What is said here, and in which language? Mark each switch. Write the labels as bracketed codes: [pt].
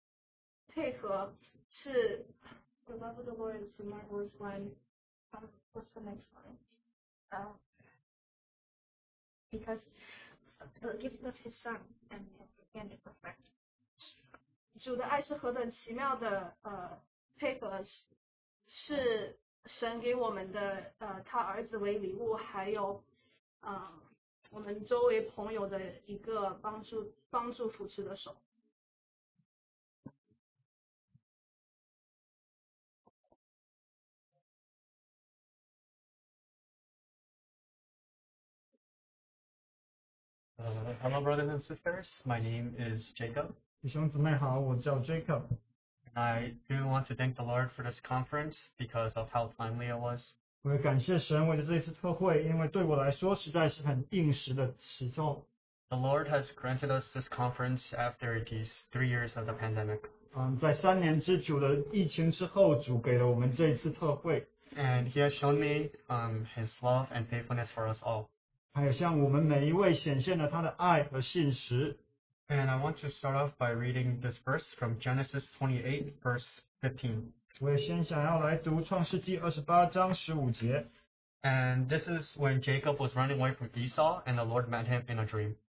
[en] The love of the Lord is the marvelous one. What's the next line? Because the gift of his son and the hand of a friend. [zh] 主的爱是何等奇妙的配合,是神给我们的他儿子为礼物,还有我们周围朋友的一个帮助扶持的手。 [en] Hello, brothers and sisters. My name is Jacob. [zh] 弟兄姊妹好,我叫Jacob. [en] I do want to thank the Lord for this conference because of how timely it was. [zh] 我也感谢神为了这一次特会,因为对我来说实在是很应时的时候。 [en] The Lord has granted us this conference after these 3 years of the pandemic. [zh] 在三年之久的疫情之后,主给了我们这一次特会。 [en] And he has shown me his love and faithfulness for us all. [zh] 还有向我们每一位显现了他的爱和信实。 [en] And I want to start off by reading this verse from Genesis 28, verse 15. [zh] 我也先想要来读创世纪28章15节。 [en] And this is when Jacob was running away from Esau, and the Lord met him in a dream.